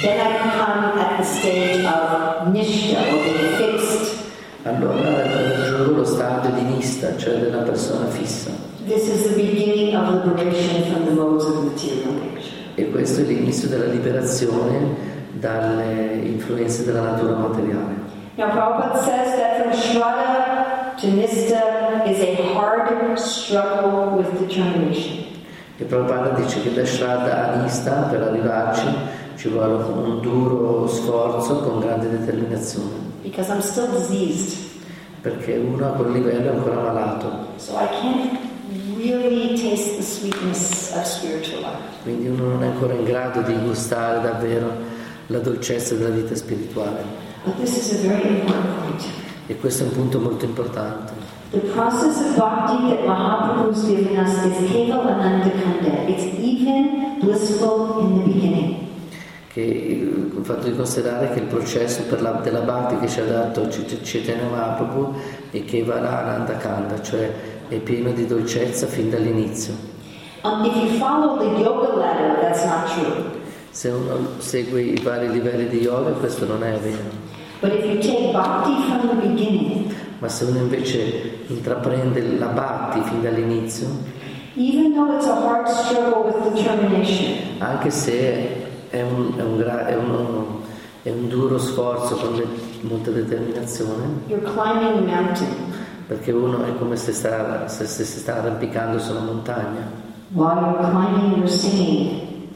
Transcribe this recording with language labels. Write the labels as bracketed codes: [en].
[en] Then I come at the stage of nishtha, or being fixed. [it] Allora raggiungo lo stadio di nista, cioè della persona fissa. [en] This is the beginning of liberation from the modes of material nature. [it] E questo è l'inizio della liberazione dalle influenze della natura materiale. [en] Now Prabhupada says that from shraddha to nista is a hard struggle with determination. [it] E Prabhupada dice che da shraddha a nista, per arrivarci, ci vuole un duro sforzo con grande determinazione. [en] Because I'm still diseased. [it] Perché uno a quel livello è ancora malato. [en] So I can't really taste the sweetness of spiritual life. [it] Quindi uno non è ancora in grado di gustare davvero la dolcezza della vita spirituale. [en] But this is a very important point. [it] E questo è un punto molto importante. [en] The process of bhakti that Mahaprabhu has given us is kevalananda kanda. It's even blissful in the beginning. [it] Che il fatto di considerare che il processo per la, della bhakti che ci ha dato Chaitanya Mahaprabhu è kevalananda kanda, cioè è pieno di dolcezza fin dall'inizio. [en] If you follow the yoga ladder, that's not true. [it] Se uno segue i vari livelli di yoga, questo non è vero. [en] But if you take bhakti from the beginning, [it] ma se uno invece intraprende la bhakti fin dall'inizio, [en] even though it's a hard struggle with determination, [it] anche se è un duro sforzo con molta determinazione, [en] you're climbing a mountain. [it] Perché uno è come se si sta arrampicando su una montagna. [en] While you're climbing, you're singing.